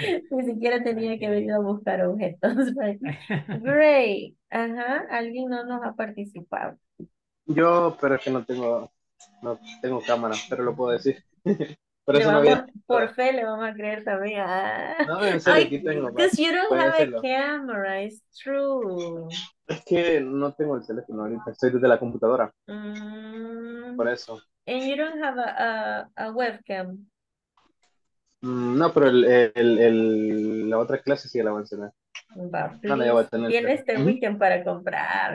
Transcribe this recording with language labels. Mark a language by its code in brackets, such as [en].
[es] Ni siquiera tenía que venir a buscar objetos. [en] Right? Great. [es] Ajá. Alguien no nos ha participado. Yo, pero es que no tengo cámara, pero lo puedo decir. Por eso no había... Por fe le vamos a creer también. Ah. No, en serio, aquí tengo. [en] Because you don't have a camera, it's true. [es] Es que no tengo el teléfono ahorita, estoy desde la computadora. Mm. Por eso. [en] And you don't have a webcam. [es] No, pero la otra clase sí la voy a enseñar. Va, no la voy a tener. Tienes este weekend para comprar.